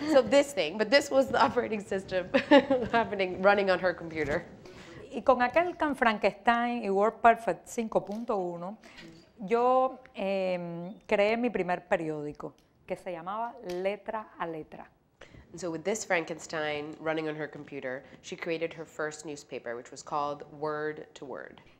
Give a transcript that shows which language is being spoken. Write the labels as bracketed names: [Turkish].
[English] So this thing, but this was the operating system running on her computer. [Spanish] Y con aquel Can Frankenstein y WordPerfect 5.1, yo creé mi primer periódico, que se llamaba Letra a Letra. [English] And so with this Frankenstein running on her computer, she created her first newspaper, which was called Word to Word.